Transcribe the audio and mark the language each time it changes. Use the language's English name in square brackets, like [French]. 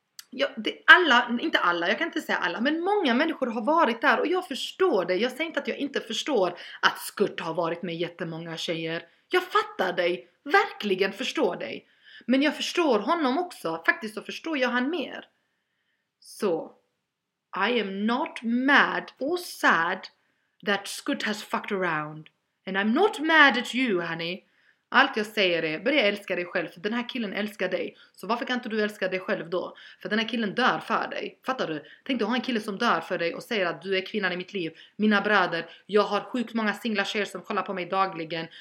[Swedish] Jag kan inte säga alla, men många människor har varit där och jag förstår det. Jag säger inte att jag inte förstår att skurta har varit med jättemånga tjejer. Jag fattar dig, verkligen förstår dig. Men jag förstår honom också, faktiskt så förstår jag han mer. [English] Så, I am not mad or sad that skurt has fucked around. And I'm not mad at you, honey. [Swedish] Allt jag säger är, börja älska dig själv, för den här killen älskar dig. Så varför kan inte du älska dig själv då? För den här killen dör för dig. Fattar du? Tänk dig ha en kille som dör för dig och säger att du är kvinnan i mitt liv. Mina bröder, jag har sjukt många singla tjejer som kollar på mig dagligen.